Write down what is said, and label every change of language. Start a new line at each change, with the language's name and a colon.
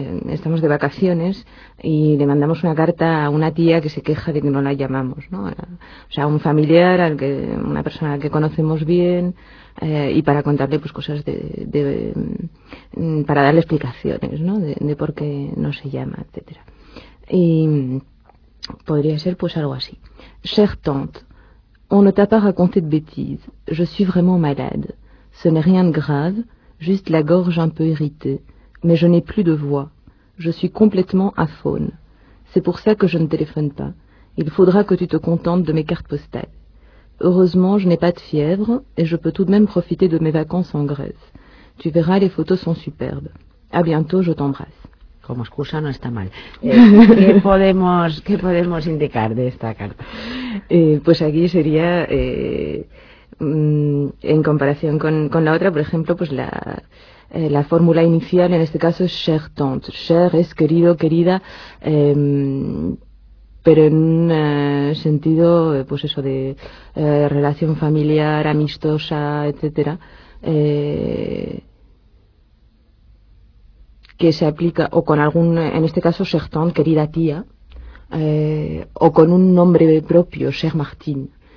Spanish: estamos de vacaciones y le mandamos una carta a una tía que se queja de que no la llamamos, ¿no? O sea, un familiar, una persona que conocemos bien, y para contarle pues cosas de para darle explicaciones, ¿no? De por qué no se llama, etcétera. Y podría ser pues algo así.
French: Cher tante, on ne t'a pas raconté de bêtises. Je suis vraiment malade. Ce n'est rien de grave, juste la gorge un peu irritée. Mais je n'ai plus de voix. Je suis complètement aphone. C'est pour ça que je ne téléphone pas. Il faudra que tu te contentes de mes cartes postales. Heureusement, je n'ai pas de fièvre et je peux tout de même profiter de mes vacances en Grèce. Tu verras, les photos sont superbes. À bientôt, je t'embrasse.
Spanish: Como excusa no está mal. ¿Qué podemos indicar de esta carta? Pues aquí sería... en comparación con la otra, por ejemplo, pues la fórmula inicial en este caso es
French: cher tante.
Spanish: Cher es querido, querida, pero en un sentido, pues eso, de relación familiar, amistosa, etcétera, que se aplica, o con algún, en este caso,
French: cher tante,
Spanish: querida tía, o con un nombre propio, cher Martine.